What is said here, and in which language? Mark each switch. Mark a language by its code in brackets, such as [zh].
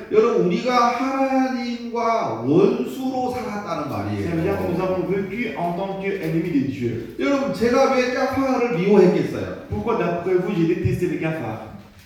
[ko] 여러분, 우리가 하나님과 원수로 살았다는 말이에요. [fr] Ça veut dire que nous avons vécu en tant que ennemis de Dieu. [ko] 여러분, 제가 왜 까파를 미워했겠어요? [fr] Pourquoi d'après vous j'ai détesté les cafards?